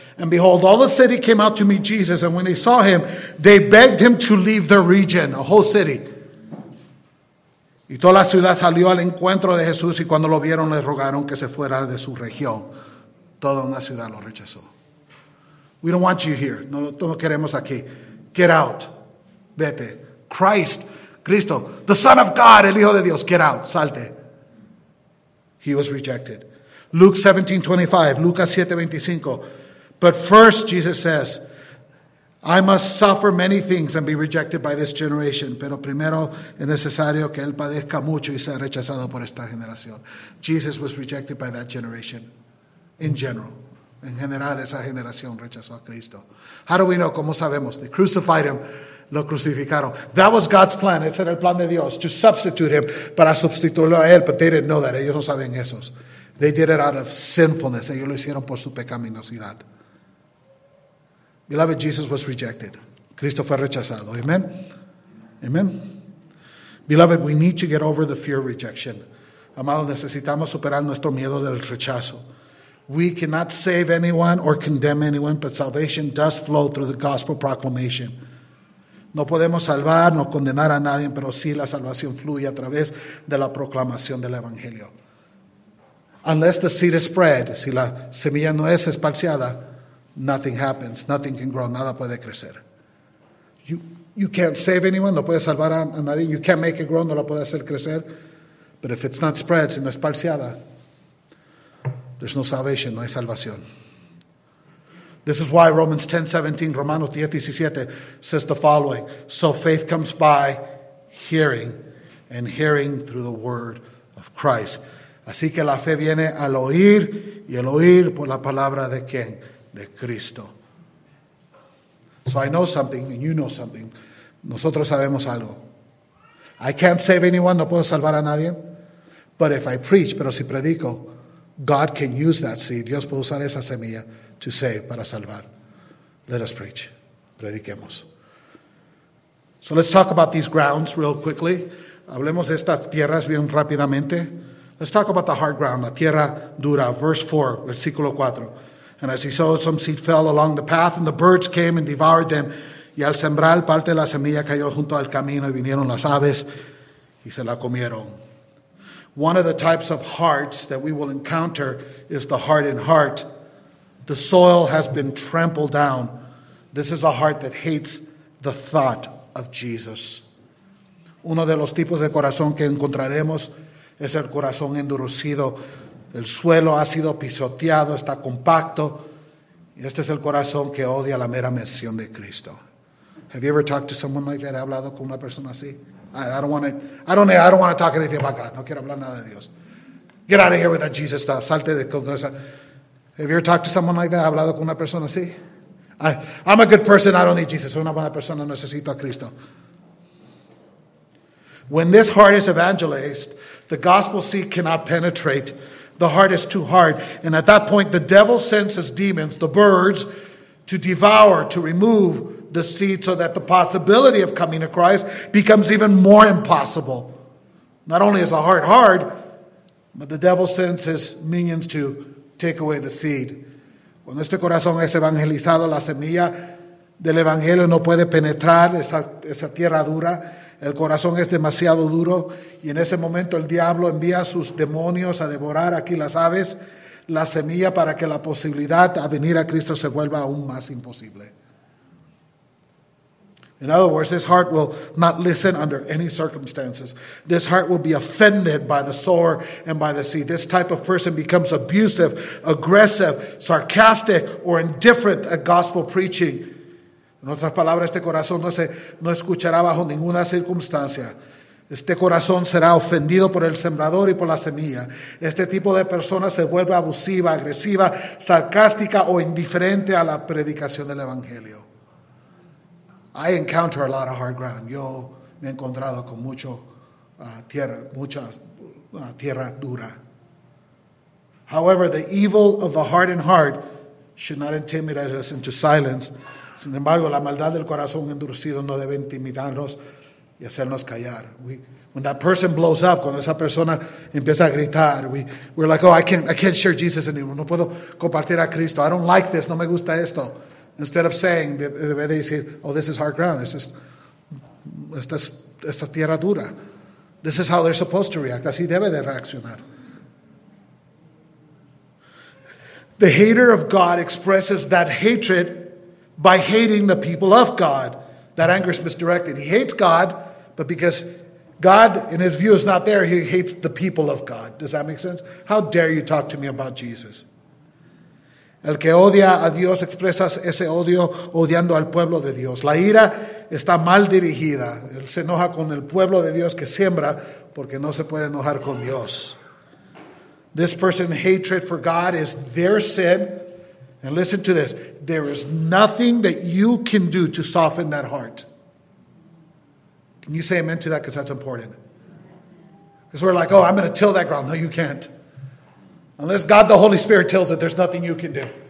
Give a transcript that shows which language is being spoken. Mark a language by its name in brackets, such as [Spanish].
[English] And behold, all the city came out to meet Jesus. And when they saw him, they begged him to leave their region. A whole city. [Spanish] Y toda la ciudad salió al encuentro de Jesús. Y cuando lo vieron, le rogaron que se fuera de su región. Toda una ciudad lo rechazó. [English] We don't want you here. [Spanish] No queremos aquí. [English] Get out. [Spanish] Vete. [English] Cristo, the Son of God, [Spanish] el Hijo de Dios, [English] get out, [Spanish] salte. [English] He was rejected. [Spanish] Lucas 7:25. [English] But first, Jesus says, I must suffer many things and be rejected by this generation. [Spanish] Pero primero es necesario que él padezca mucho y sea rechazado por esta generación. [English] Jesus was rejected by that generation. In general. [Spanish] En general, esa generación rechazó a Cristo. [English] How do we know? [Spanish] ¿Cómo sabemos? [English] They crucified him. [Spanish] Lo crucificaron. [English] That was God's plan. [Spanish] Ese era el plan de Dios. [English] To substitute him. [Spanish] Para sustituirlo a él. [English] But they didn't know that. [Spanish] Ellos no saben esos. [English] They did it out of sinfulness. [Spanish] Ellos lo hicieron por su pecaminosidad. [English] Beloved, Jesus was rejected. [Spanish] Cristo fue rechazado. Amen. Amen. [English] Beloved, we need to get over the fear of rejection. [Spanish] Amado, necesitamos superar nuestro miedo del rechazo. [English] We cannot save anyone or condemn anyone, but salvation does flow through the gospel proclamation. [Spanish] No podemos salvar, no condenar a nadie, pero sí la salvación fluye a través de la proclamación del Evangelio. [English] Unless the seed is spread, [Spanish] si la semilla no es esparciada, [English] nothing happens, nothing can grow, [Spanish] nada puede crecer. [English] You can't save anyone, [Spanish] no puedes salvar a nadie, [English] you can't make it grow, [Spanish] no lo puedes hacer crecer. [English] But if it's not spread, [Spanish] si no es esparciada, [English] there's no salvation, [Spanish] no hay salvación. [English] This is why Romanos 10:17 says the following. So faith comes by hearing, and hearing through the word of Christ. [Spanish] Así que la fe viene al oír, y el oír por la palabra de quién? De Cristo. [English] So I know something, and you know something. [Spanish] Nosotros sabemos algo. [English] I can't save anyone, [Spanish] no puedo salvar a nadie. [English] But if I preach, [Spanish] pero si predico, [English] God can use that seed. [Spanish] Dios puede usar esa semilla. [English] To save, [Spanish] para salvar. [English] Let us preach. [Spanish] Prediquemos. [English] So let's talk about these grounds real quickly. [Spanish] Hablemos de estas tierras bien rápidamente. [English] Let's talk about the hard ground, [Spanish] la tierra dura. [English] Verse 4. And as he sowed, some seed fell along the path, and the birds came and devoured them. [Spanish] Y al sembrar, parte de la semilla cayó junto al camino, y vinieron las aves, y se la comieron. [English] One of the types of hearts that we will encounter is the hardened heart. The soil has been trampled down. This is a heart that hates the thought of Jesus. [Spanish] Uno de los tipos de corazón que encontraremos es el corazón endurecido. El suelo ha sido pisoteado, está compacto. Este es el corazón que odia la mera mención de Cristo. [English] Have you ever talked to someone like that? [Spanish] ¿Ha hablado con una persona así? [English] I don't want to talk anything about God. [Spanish] No quiero hablar nada de Dios. [English] Get out of here with that Jesus stuff. [Spanish] Salte de con esa. [English] Have you ever talked to someone like that? [Spanish] ¿Hablado con una persona así? [English] I'm a good person, I don't need Jesus. [Spanish] Soy una buena persona, necesito a Cristo. [English] When this heart is evangelized, the gospel seed cannot penetrate. The heart is too hard. And at that point, the devil sends his demons, the birds, to devour, to remove the seed so that the possibility of coming to Christ becomes even more impossible. Not only is the heart hard, but the devil sends his minions to take away the seed. [Spanish] Cuando este corazón es evangelizado, la semilla del evangelio no puede penetrar esa tierra dura. El corazón es demasiado duro, y en ese momento el diablo envía a sus demonios a devorar aquí las aves, la semilla, para que la posibilidad a venir a Cristo se vuelva aún más imposible. [English] In other words, this heart will not listen under any circumstances. This heart will be offended by the sower and by the seed. This type of person becomes abusive, aggressive, sarcastic, or indifferent at gospel preaching. [Spanish] En otras palabras, este corazón no escuchará bajo ninguna circunstancia. Este corazón será ofendido por el sembrador y por la semilla. Este tipo de persona se vuelve abusiva, agresiva, sarcástica, o indiferente a la predicación del evangelio. [English] I encounter a lot of hard ground. [Spanish] Yo me he encontrado con mucho tierra dura. [English] However, the evil of the hardened heart should not intimidate us into silence. [Spanish] Sin embargo, la maldad del corazón endurecido no debe intimidarnos y hacernos callar. [English] When that person blows up, [Spanish] cuando esa persona empieza a gritar, [English] we're like, oh, I can't share Jesus anymore. [Spanish] No puedo compartir a Cristo. [English] I don't like this. [Spanish] No me gusta esto. [English] Instead of saying, [Spanish] debe decir, [English] oh, this is hard ground. [Spanish] Esta tierra dura. [English] This is how they're supposed to react. [Spanish] Así debe de reaccionar. [English] The hater of God expresses that hatred by hating the people of God. That anger is misdirected. He hates God, but because God, in his view, is not there, he hates the people of God. Does that make sense? How dare you talk to me about Jesus? [Spanish] El que odia a Dios expresa ese odio odiando al pueblo de Dios. La ira está mal dirigida. Él se enoja con el pueblo de Dios que siembra porque no se puede enojar con Dios. [English] This person's hatred for God is their sin. And listen to this. There is nothing that you can do to soften that heart. Can you say amen to that? Because that's important. Because we're like, oh, I'm going to till that ground. No, you can't. Unless God the Holy Spirit tills it, there's nothing you can do.